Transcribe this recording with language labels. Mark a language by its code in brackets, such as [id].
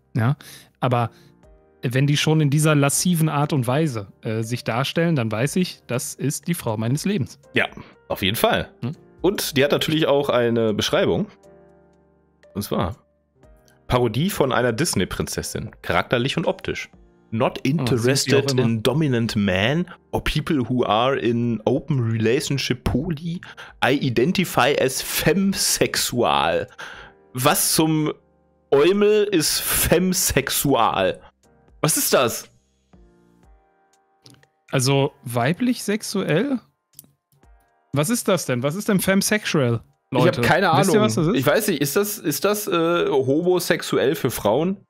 [de] Ja, aber wenn die schon in dieser lasciven Art und Weise sich darstellen, dann weiß ich, das ist die Frau meines Lebens. Ja, auf jeden Fall. Und die hat natürlich auch eine Beschreibung. Und zwar Parodie von einer Disney-Prinzessin. Charakterlich und optisch. [en] Not interested in dominant men or people who are in open relationship poly. I identify as femsexual. [de] Was zum Eumel ist femsexual? Was ist das? Also weiblich sexuell? Was ist das denn? Was ist denn femsexual, Leute? Ich habe keine Ahnung. Wisst ihr, was das ist? Ich weiß nicht. Ist das homosexuell für Frauen?